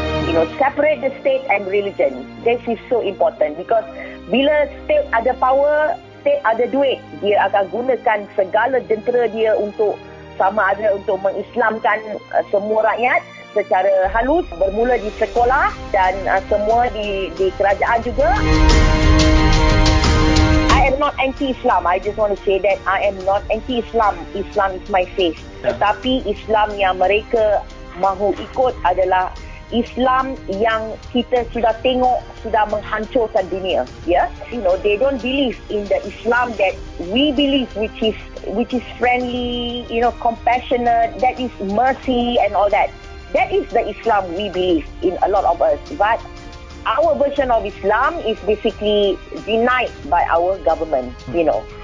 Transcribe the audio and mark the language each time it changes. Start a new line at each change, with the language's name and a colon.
English: You know, separate the state and religion. This is so important because
Malay: bila state ada power, state ada duit, dia akan gunakan segala jentera dia untuk sama ada untuk mengislamkan semua rakyat secara halus bermula di sekolah dan semua di kerajaan juga.
English: I'm not anti-Islam. I just want to say that I am not anti-Islam. Islam is my faith.
Malay: Tetapi Islam yang mereka mahu ikut adalah Islam yang kita sudah tengok sudah menghancurkan dunia.
English: Yeah, you know they don't believe in the Islam that we believe, which is friendly, you know, compassionate. That is mercy and all that. That is the Islam we believe in. A lot of us, but our version of Islam is basically denied by our government, you know.